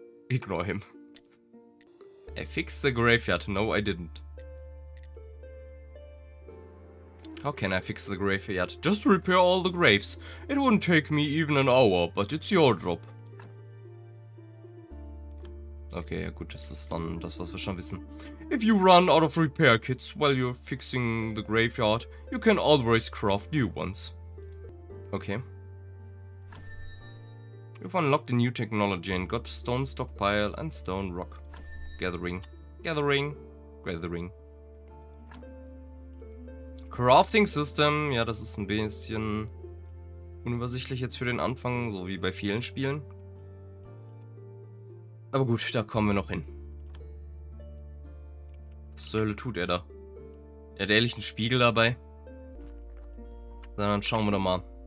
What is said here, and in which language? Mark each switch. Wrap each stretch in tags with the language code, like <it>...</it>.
<en>Ignore him. I fixed the graveyard. No, I didn't. How can I fix the graveyard? Just repair all the graves. It wouldn't take me even an hour, but it's your job.</en> <de>Okay, ja gut, das ist dann das, was wir schon wissen.</de> <en>If you run out of repair kits while you're fixing the graveyard, you can always craft new ones. Okay. You've unlocked a new technology and got stone stockpile and stone rock. Gathering.</en> <de>Crafting System, ja, das ist ein bisschen unübersichtlich jetzt für den Anfang, so wie bei vielen Spielen. Aber gut, da kommen wir noch hin. Was zur Hölle tut er da? Er hat ehrlich einen Spiegel dabei. Dann schauen wir doch mal.</de>